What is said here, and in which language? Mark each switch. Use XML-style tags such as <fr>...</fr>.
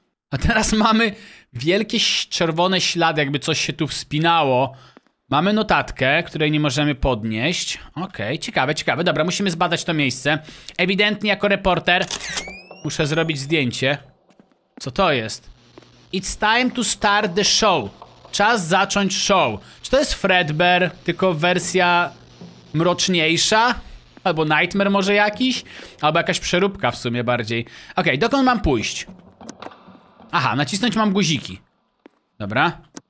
<pl>A teraz mamy wielkie czerwone ślady, jakby coś się tu wspinało. Mamy notatkę, której nie możemy podnieść. Okej, okay, ciekawe, dobra, musimy zbadać to miejsce. Ewidentnie jako reporter muszę zrobić zdjęcie. Co to jest?</pl> <en>It's time to start the show.</en> <pl>Czas zacząć show. Czy to jest Fredbear, tylko wersja... mroczniejsza? Albo nightmare może jakiś? Albo jakaś przeróbka w sumie bardziej. Okej, dokąd mam pójść? Aha, nacisnąć mam guziki. Dobra.</pl>